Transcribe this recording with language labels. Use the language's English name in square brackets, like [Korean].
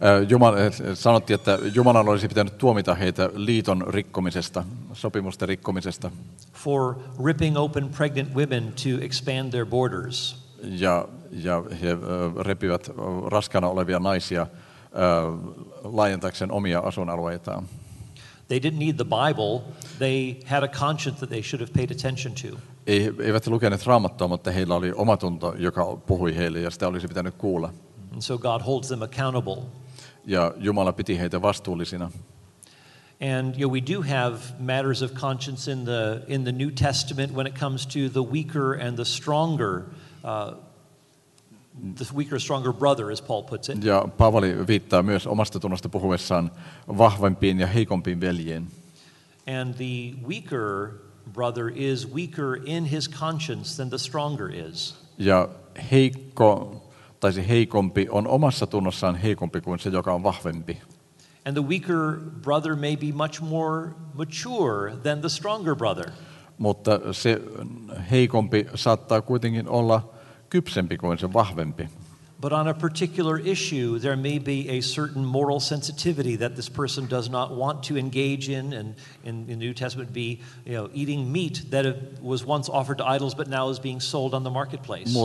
[Finnish] Jumala sanottiin, että Jumalan olisi pitänyt tuomita heitä liiton rikkomisesta, sopimusten rikkomisesta. [English] For ripping open pregnant women to expand their borders. [Finnish] Ja he repivät raskaana olevia naisia laajentakseen omia asuinalueitaan. [English] They didn't need the Bible. They had a conscience that they should have paid attention to. [Finnish] Eivät lukeneet Raamattua, mutta heillä oli omatunto, joka puhui heille, ja sitä olisi pitänyt kuulla. [English] And so God holds them accountable. [Finnish] Ja Jumala piti heitä vastuullisina. [English] And we do have matters of conscience in the New Testament when it comes to the weaker and the stronger. The weaker, stronger brother, as Paul puts it. [Finnish] Ja Paavali viittaa myös omasta tunnosta puhuessaan vahvempiin ja heikompiin veljiin. [English] And the weaker brother is weaker in his conscience than the stronger is. [Finnish] Ja heikko, tai se heikompi, on omassa tunnossaan heikompi kuin se, joka on vahvempi. [English] And the weaker brother may be much more mature than the stronger brother. [Finnish] Mutta se heikompi saattaa kuitenkin olla kypsempi kuin se vahvempi. [English] But on a particular issue there may be a certain moral sensitivity that this person does not want to engage in, and in the New Testament be eating meat that was once offered to idols but now is being sold on the marketplace.